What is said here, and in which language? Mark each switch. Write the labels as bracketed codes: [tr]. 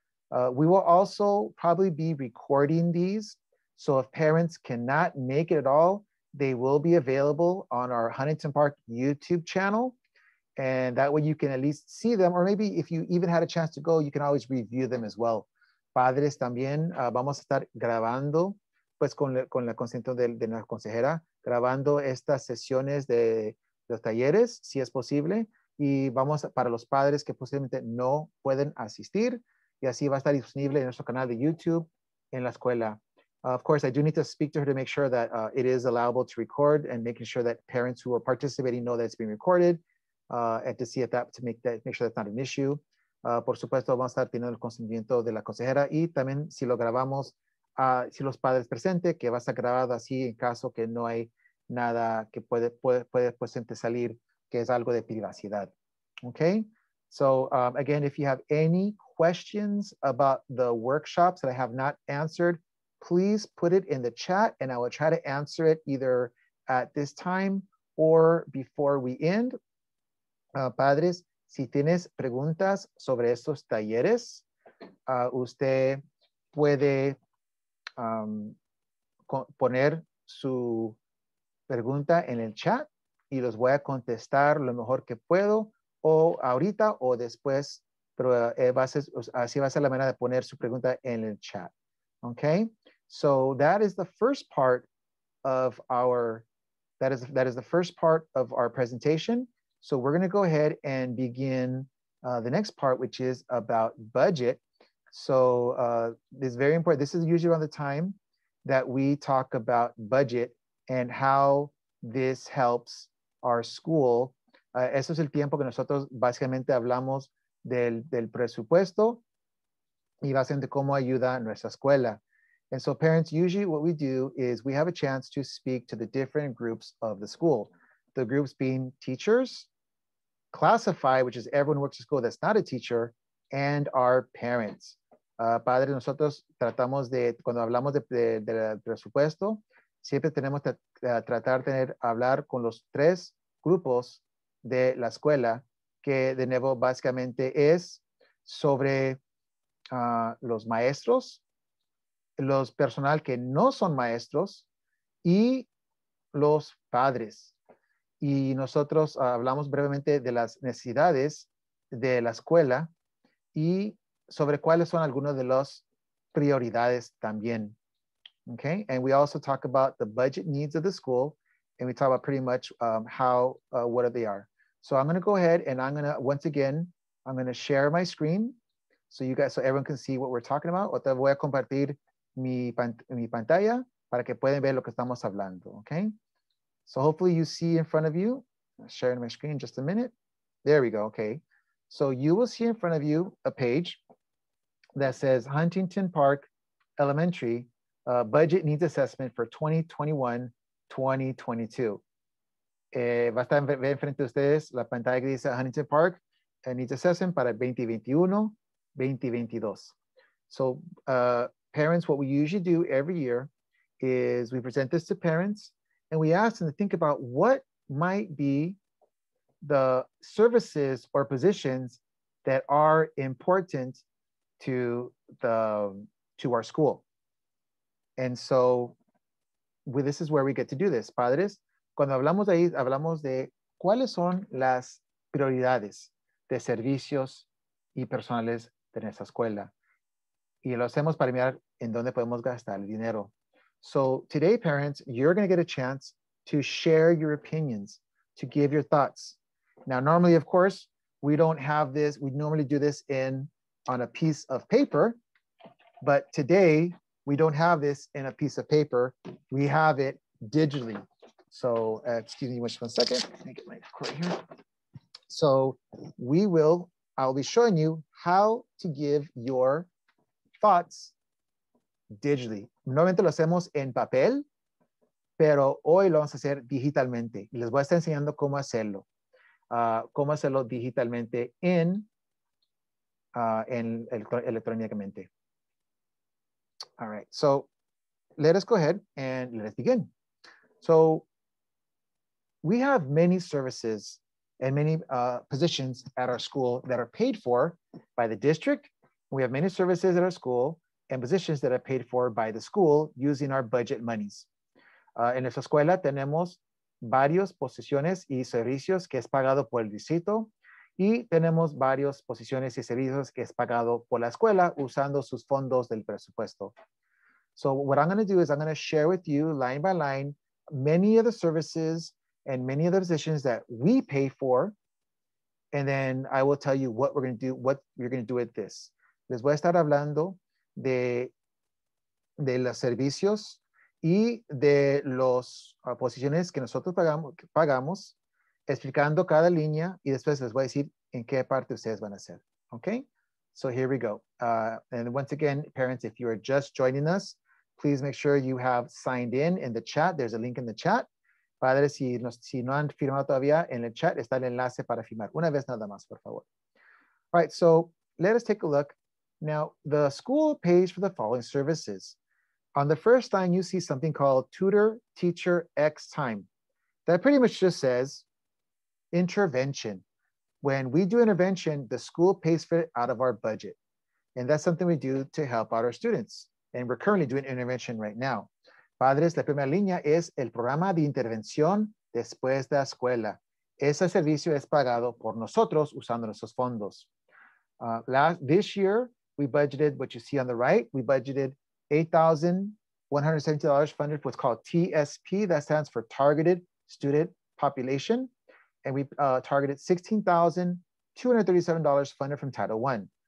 [en] We will also probably be recording these. So if parents cannot make it at all, they will be available on our Huntington Park YouTube channel. And that way you can at least see them. Or maybe if you even had a chance to go, you can always review them as well. [es] Padres también vamos a estar grabando, pues con la consentimiento de la consejera, grabando estas sesiones de los talleres, si es posible. Y vamos para los padres que posiblemente no pueden asistir. Y así va a estar disponible en nuestro canal de YouTube en la escuela. [en] Of course, I do need to speak to her to make sure that it is allowable to record and making sure that parents who are participating know that it's being recorded and to see if that, to make that, make sure that's not an issue. [es] Por supuesto, vamos a estar teniendo el consentimiento de la consejera y también si lo grabamos, si los padres presentes, que va a estar grabado así en caso que no hay nada que puede salir, que es algo de privacidad. [en] Okay? So, again, if you have any questions about the workshops that I have not answered, please put it in the chat and I will try to answer it either at this time or before we end. [es] Padres, si tienes preguntas sobre estos talleres, usted puede poner su pregunta en el chat y los voy a contestar lo mejor que puedo o ahorita o después, pero va a ser, así va a ser la manera de poner su pregunta en el chat. [en] Okay? So that is the first part of our, that is the first part of our presentation. So we're going to go ahead and begin the next part, which is about budget. So this is very important. This is usually around the time that we talk about budget and how this helps our school. [es] Eso es el tiempo que nosotros básicamente hablamos del presupuesto y básicamente cómo ayuda nuestra escuela. [en] And so parents, usually what we do is we have a chance to speak to the different groups of the school. The groups being teachers, classified, which is everyone who works at school that's not a teacher, and our parents. [es] Padres, nosotros tratamos de, cuando hablamos de presupuesto, siempre tenemos que tratar de tener, hablar con los tres grupos de la escuela, que de nuevo básicamente es sobre los maestros, los personal que no son maestros y los padres. Y nosotros hablamos brevemente de las necesidades de la escuela y sobre cuáles son algunas de las prioridades también. [en] Okay, and we also talk about the budget needs of the school and we talk about pretty much how, what they are. So I'm gonna go ahead and I'm gonna, once again, I'm gonna share my screen so you guys, so everyone can see what we're talking about. [es] Otra voy a compartir mi pantalla para que puedan ver lo que estamos hablando, okay? [en] So hopefully you see in front of you, I'll share my screen in just a minute. There we go, okay. So you will see in front of you a page that says Huntington Park Elementary Budget Needs Assessment for 2021-2022. va a estar en frente de ustedes la pantalla que dice Huntington Park and Needs Assessment para 2021-2022. So parents, what we usually do every year is we present this to parents and we ask them to think about what might be the services or positions that are important to the to our school. And so we, this is where we get to do this. [es] Padres, cuando hablamos de ahí, hablamos de cuáles son las prioridades de servicios y personales de nuestra escuela. Y lo hacemos para mirar en dónde podemos gastar el dinero. [en] So today, parents, you're going to get a chance to share your opinions, to give your thoughts. Now, normally, of course, we don't have this. We normally do this in on a piece of paper. But today, we don't have this in a piece of paper. We have it digitally. So excuse me, just one second. Let me get my cord here. So we will, I'll be showing you how to give your thoughts digitally. [es] Normalmente lo hacemos en papel, pero hoy lo vamos a hacer digitalmente. Les voy a estar enseñando cómo hacerlo digitalmente electrónicamente. [en] All right, so let us go ahead and let us begin. So we have many services and many positions at our school that are paid for by the district. We have many services at our school and positions that are paid for by the school using our budget monies. [es] En nuestra escuela tenemos varios posiciones y servicios que es pagado por el distrito y tenemos varios posiciones y servicios que es pagado por la escuela usando sus fondos del presupuesto. [en] So what I'm going to do is I'm going to share with you line by line many of the services and many of the positions that we pay for, and then I will tell you what we're going to do, what you're going to do with this. [es] Les voy a estar hablando de los servicios y de las posiciones que nosotros pagamos, explicando cada línea y después les voy a decir en qué parte ustedes van a hacer. [en] Okay? So here we go. And once again, parents, if you are just joining us, please make sure you have signed in the chat. There's a link in the chat. [es] Padres, si no han firmado todavía en el chat, está el enlace para firmar. Una vez nada más, por favor. [en] All right, so let us take a look. Now, the school pays for the following services. On the first line, you see something called tutor, teacher, X time. That pretty much just says intervention. When we do intervention, the school pays for it out of our budget. And that's something we do to help out our students. And we're currently doing intervention right now. [es] Padres, la primera línea es el programa de intervención después de la escuela. Ese servicio es pagado por nosotros usando nuestros fondos. [en] This year, we budgeted what you see on the right. We budgeted $8,170 funded for what's called TSP. That stands for Targeted Student Population. And we targeted $16,237 funded from Title I.